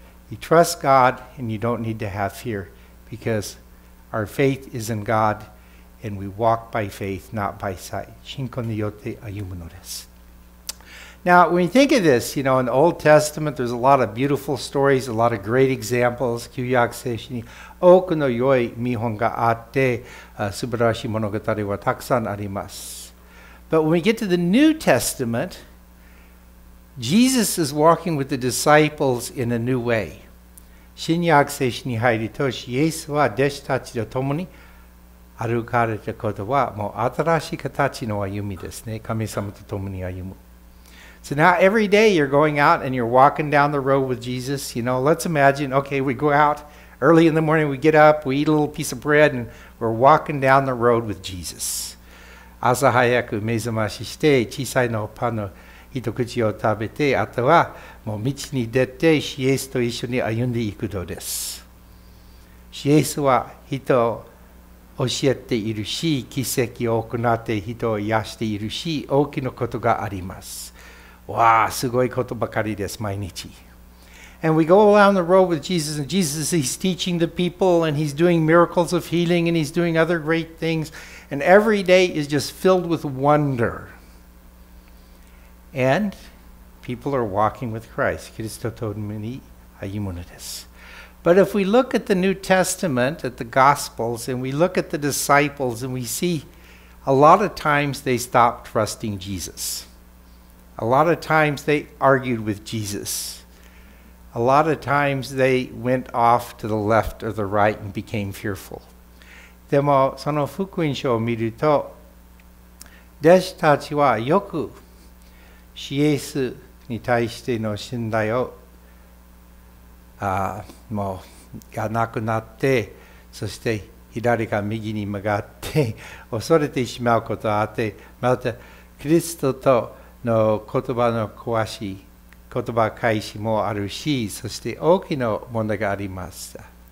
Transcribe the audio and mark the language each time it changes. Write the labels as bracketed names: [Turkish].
[English] You trust God and you don't need to have fear, because our faith is in God and we walk by faith, not by sight. [Japanese] 信仰によって歩むのです。 [English] Now, when you think of this, you know, in the Old Testament, there's a lot of beautiful stories, a lot of great examples. [Japanese] 旧約聖書に多くの良い見本があって、素晴らしい物語はたくさんあります。 [English] But when we get to the New Testament, Jesus is walking with the disciples in a new way. [Japanese] 新約聖書に入り通し、イエスは弟子たちと共に歩かれたことは、もう新しい形の歩みですね。神様と共に歩む。 [English] So now every day you're going out and you're walking down the road with Jesus. You know, let's imagine, okay, we go out early in the morning, we get up, we eat a little piece of bread, and we're walking down the road with Jesus. [Japanese] 朝早く目覚ましして、小さいのパンの一口を食べて、あとはもう道に出て、イエスと一緒に歩んでいくのです。イエスは人を教えているし、奇跡を行って人を癒しているし、大きなことがあります。わあ、すごいことばかりです、毎日。 [English] And we go along the road with Jesus, and Jesus is teaching the people, and he's doing miracles of healing, and he's doing other great things. And every day is just filled with wonder. And people are walking with Christ. [Japanese] キリストと共に歩むのです。 [English] But if we look at the New Testament, at the Gospels, and we look at the disciples, and we see a lot of times they stop trusting Jesus. A lot of times they argued with Jesus. A lot of times they went off to the left or the right and became fearful. [Japanese] でもその福音書を見ると、弟子たちはよくイエスに対しての信頼をもうがなくなって、そして左か右に曲がって恐れてしまうことがあって、またキリストとの言葉の詳しい言葉返しもあるし、そして大きな問題がありました。